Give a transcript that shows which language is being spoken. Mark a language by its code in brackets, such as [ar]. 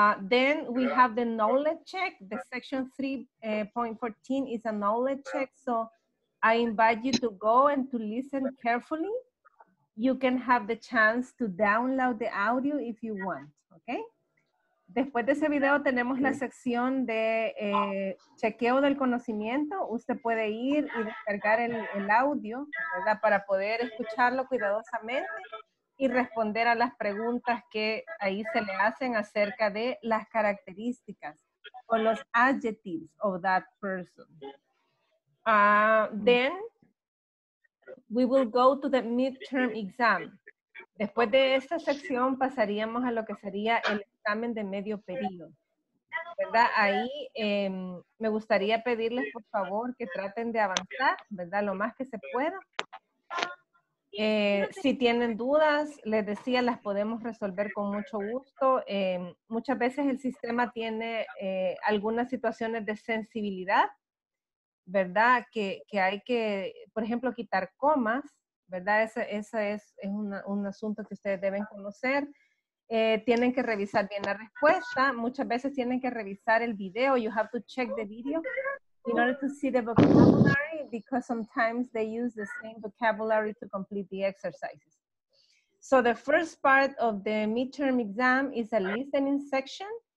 [en] Then we have the knowledge check. The section 3.14 is a knowledge check. So I invite you to go and to listen carefully. You can have the chance to download the audio if you want, okay? [es] Después de ese video tenemos la sección de chequeo del conocimiento. Usted puede ir y descargar el audio, ¿verdad? Para poder escucharlo cuidadosamente y responder a las preguntas que ahí se le hacen acerca de las características o los [en] adjectives of that person. Then we will go to the midterm exam. [es] Después de esta sección pasaríamos a lo que sería el examen de medio periodo, ¿verdad? Ahí me gustaría pedirles, por favor, que traten de avanzar, ¿verdad? Lo más que se pueda. Si tienen dudas, les decía, las podemos resolver con mucho gusto. Muchas veces el sistema tiene algunas situaciones de sensibilidad, ¿verdad? Que hay que, por ejemplo, quitar comas, ¿verdad? Ese es un asunto que ustedes deben conocer. Tienen que revisar bien la respuesta. Muchas veces tienen que revisar el video. [en] You have to check the video in order to see the vocabulary because sometimes they use the same vocabulary to complete the exercises. So the first part of the midterm exam is a listening section.